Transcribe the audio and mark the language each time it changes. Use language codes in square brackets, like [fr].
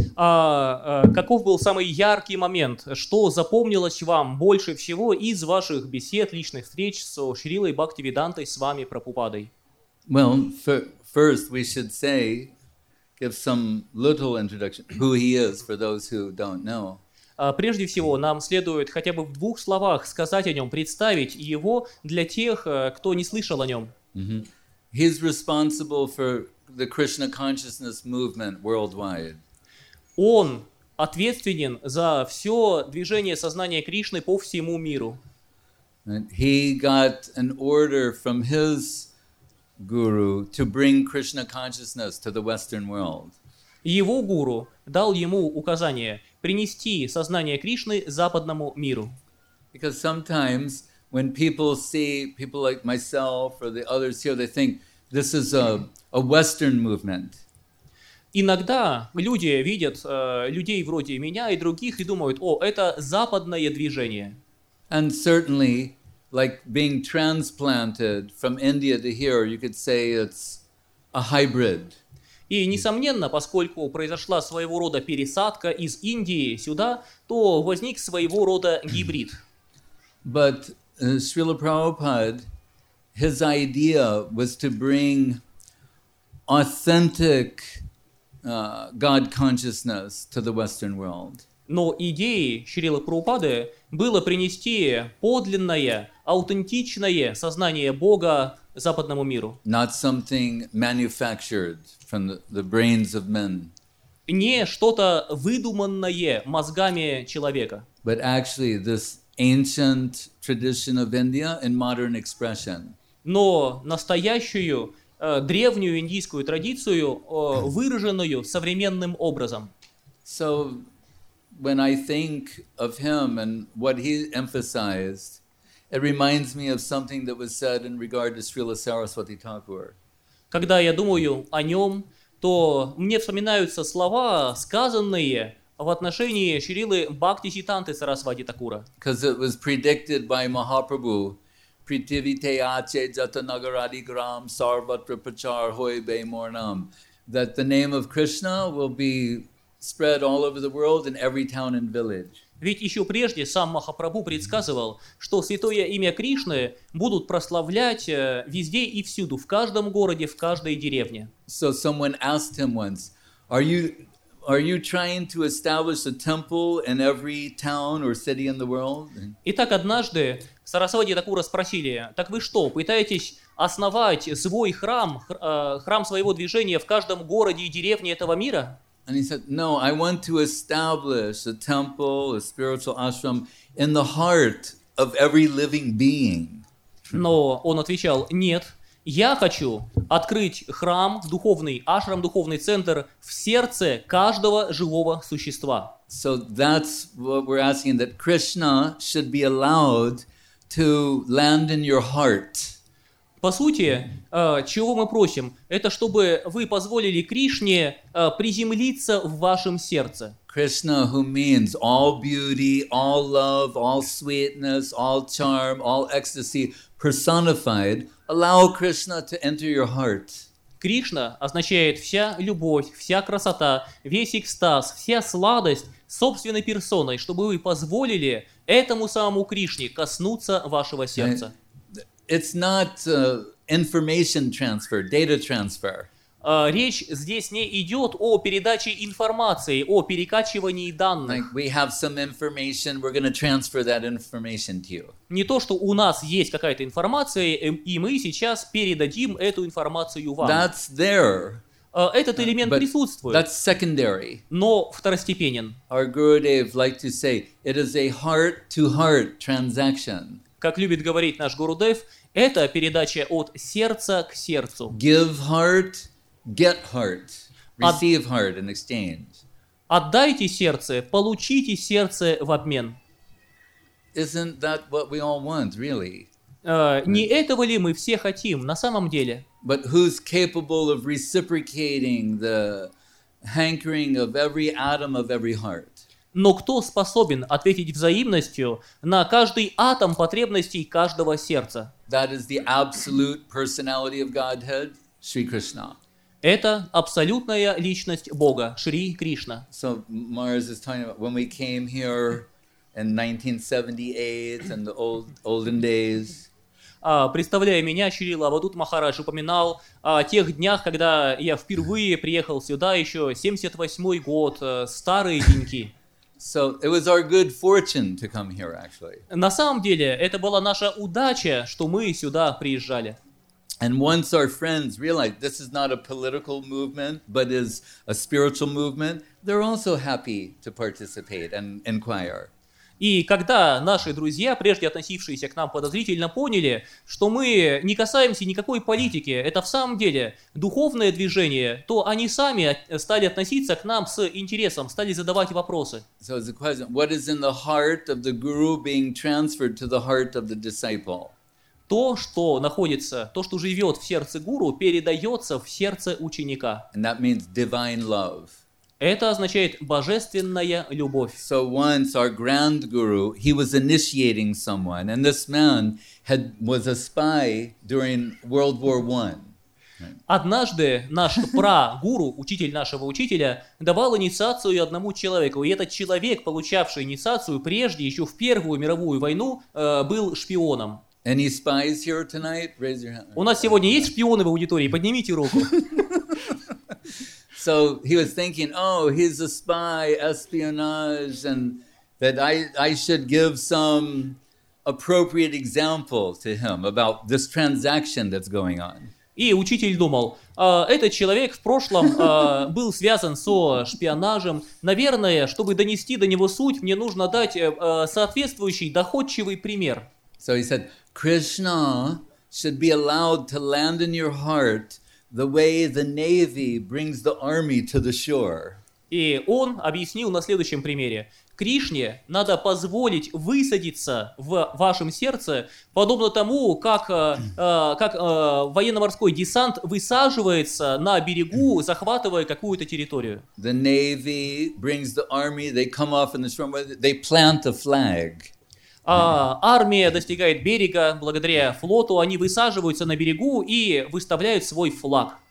[ru] Каков был самый яркий момент, что запомнилось вам больше всего из ваших бесед, личных встреч с Шрилой Бхактивидантой с вами, Прабхупадой? [en] Well, first we should say, give some little introduction, who he is for those who don't know. [ru] Прежде всего, нам следует хотя бы в двух словах сказать о нем, представить его для тех, кто не слышал о нем. Mm-hmm. [en] He's responsible for the Krishna consciousness movement worldwide. [ru] Он ответственен за все движение сознания Кришны по всему миру. [en] And he got an order from his guru to bring Krishna consciousness to the Western world. [ru] Его гуру дал ему указание принести сознание Кришны западному миру. [en] Because sometimes when people see people like myself or the others here, they think this is a Western movement. [ru] Иногда люди видят людей вроде меня и других и думают, о, это западное движение. [en] And certainly, like being transplanted from India to here, you could say it's a hybrid. [ru] И несомненно, поскольку произошла своего рода пересадка из Индии сюда, то возник своего рода гибрид. [en] But Srila Prabhupada, his idea was to bring authentic God consciousness to the Western world. [ru] Но идеей Шрилы Прабхупады было принести подлинное, аутентичное сознание Бога западному миру. [en] Not something manufactured from the brains of men. [ru] Не что-то выдуманное мозгами человека. [en] But actually this ancient tradition of India in modern expression. [ru] Но настоящую древнюю индийскую традицию, выраженную современным образом. [en] So, when I think of him and what he emphasized, it reminds me of something that was said in regard to Srila Saraswati Thakur. [ru] Когда я думаю о нем, то мне вспоминаются слова, сказанные в отношении Шрилы Бхактисиддханты Сарасвати Такура. [en] Because it was predicted by Mahaprabhu, that the name of Krishna will be spread all over the world in every town and village. [ru] Ведь еще прежде сам Махапрабху предсказывал, что святое имя Кришны будут прославлять везде и всюду, в каждом городе, в каждой деревне. [en] So someone asked him once, Are you trying to establish a temple in every town or city in the world? [ru] Итак, однажды Сарасвати Такура спросили: "Так вы что, пытаетесь основать свой храм, храм своего движения в каждом городе и деревне этого мира?" [en] And he said, "No, I want to establish a temple, a spiritual ashram in the heart of every living being." [ru] Но он отвечал: "Нет, я хочу открыть храм, духовный ашрам, духовный центр в сердце каждого живого существа." [en] So that's what we're asking, that Krishna should be allowed to land in your heart. [ru] По сути, чего мы просим? Это чтобы вы позволили Кришне приземлиться в вашем сердце. [en] Krishna, who means all beauty, all love, all sweetness, all charm, all ecstasy, personified, allow Krishna to enter your heart. [ru] Кришна означает вся любовь, вся красота, весь экстаз, вся сладость собственной персоной, чтобы вы позволили этому самому Кришне коснуться вашего сердца. [en] It's not information transfer, data transfer. [ru] Речь здесь не идет о передаче информации, о перекачивании данных. [en] Like we have some information, we're going to transfer that information to you. [ru] Не то, что у нас есть какая-то информация, и мы сейчас передадим эту информацию вам. [en] That's there. [ru] Этот элемент присутствует. [en] That's secondary. [ru] Но второстепенен. [en] Our Gurudev liked to say, it is a heart-to-heart transaction. [ru] Как любит говорить наш Гурудев, это передача от сердца к сердцу. [en] Give heart, get heart, receive heart in exchange. [ru] Отдайте сердце, получите сердце в обмен. [en] Isn't that what we all want, really? [ru] Не этого ли мы все хотим на самом деле? [en] But who's capable of reciprocating the hankering of every atom of every heart? [ru] Но кто способен ответить взаимностью на каждый атом потребностей каждого сердца? [en] That is the absolute personality of Godhead, Sri Krishna. [ru] Это абсолютная личность Бога, Шри Кришна. [en] So Mars is talking about when we came here in 1978 and the olden days. [ru] Представляя меня, Шрила Авадут Махарадж упоминал о тех днях, когда я впервые приехал сюда, еще 78-й год, старые деньки. [en] So it was our good fortune to come here, actually. [ru] На самом деле, это была наша удача, что мы сюда приезжали. [en] And once our friends realized this is not a political movement, but is a spiritual movement, they're also happy to participate and inquire. [ru] И когда наши друзья, прежде относившиеся к нам подозрительно, поняли, что мы не касаемся никакой политики, это в самом деле духовное движение, то они сами стали относиться к нам с интересом, стали задавать вопросы. [en] So the question, what is in the heart of the guru being transferred to the heart of the disciple? [ru] То, что находится, то, что живет в сердце гуру, передается в сердце ученика. [en] And that means divine love. [ru] Это означает божественная любовь. [en] So once our grand guru, he was initiating someone, and this man was a spy during World War I. [ru] Однажды наш прагуру, учитель нашего учителя, давал инициацию одному человеку, и этот человек, получавший инициацию прежде, еще в Первую мировую войну, был шпионом. [en] Any spies here tonight? Raise your hand. [ru] У нас сегодня есть шпионы в аудитории? Поднимите руку. [en] So he was thinking, oh, he's a spy, espionage, and that I should give some appropriate example to him about this transaction that's going on. [ru] И учитель думал, этот человек в прошлом был связан со шпионажем. Наверное, чтобы донести до него суть, мне нужно дать соответствующий доходчивый пример. [en] So he said, Krishna should be allowed to land in your heart the way the navy brings the army to the shore. [ru] И он объяснил на следующем примере. Кришне надо позволить высадиться в вашем сердце, подобно тому, как военно-морской десант высаживается на берегу, захватывая какую-то территорию. [en] The navy brings the army, they come off in the storm, they plant a flag. [ru] Армия достигает берега благодаря флоту, они высаживаются на берегу и выставляют свой флаг.